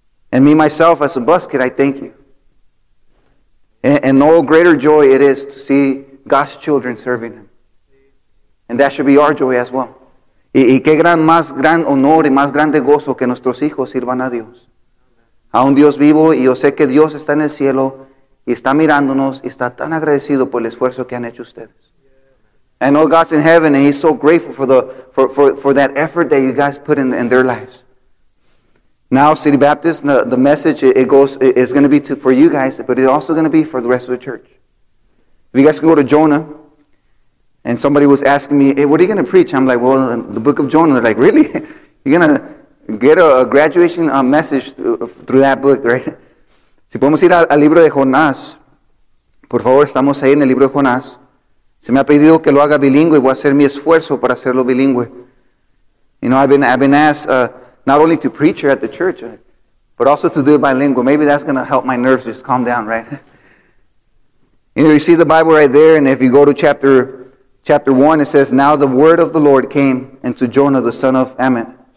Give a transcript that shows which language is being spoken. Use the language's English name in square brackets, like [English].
[English] And me, myself, as a bus kid, I thank you. And no greater joy it is to see God's children serving Him. And that should be our joy as well. [Spanish] Y qué gran, más gran honor y más grande gozo que nuestros hijos sirvan a Dios. A un Dios vivo, y yo sé que Dios está en el cielo y está mirándonos y está tan agradecido por el esfuerzo que han hecho ustedes. [English] I know God's in heaven and He's so grateful for that effort that you guys put in their lives. Now, City Baptist, the message is going to be for you guys, but it's also going to be for the rest of the church. If you guys can go to Jonah, and somebody was asking me, hey, what are you going to preach? I'm like, well, the book of Jonah. They're like, really? You're going to get a graduation message through that book, right? [Spanish] Si podemos ir al libro de Jonás, por favor, estamos ahí en el libro de Jonás. Se me ha pedido que lo haga bilingüe, voy a hacer mi esfuerzo para hacerlo bilingüe. [English] You know, I've been asked not only to preach here at the church, but also to do it bilingual. Maybe that's going to help my nerves just calm down, right? You know, you see the Bible right there, and if you go to chapter 1, it says, now the word of the Lord came unto Jonah, the son of Hammond.